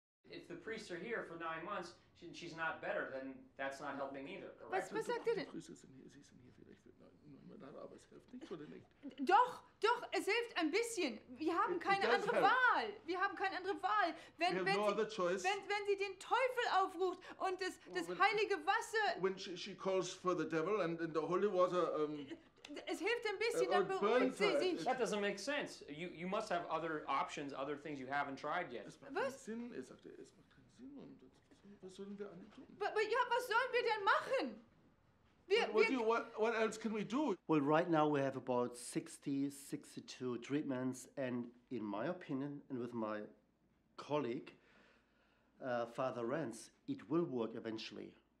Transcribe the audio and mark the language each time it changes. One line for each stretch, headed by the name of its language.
English: If the priests are here for 9 months, she's not better, then that's not helping either, correct?
German: Was sagt ihr denn? Die Priester sind hier, sie sind hier vielleicht für 9 Monate, aber es hilft nicht, oder nicht? Doch, es hilft ein bisschen. Wir haben keine andere Wahl. Wir haben keine andere Wahl. Wenn sie den Teufel aufruft und das heilige Wasser...
English: When she calls for the devil and the holy water...
German: Es hilft ein bisschen, dann beruhigt sie sich.
English: That doesn't make sense. You must have other options, other things you haven't tried yet.
German: Was sollen wir denn machen?
English: What else can we do? Well, right now we have about 62 treatments, and in my opinion, and with my colleague, Father Renz, it will work eventually.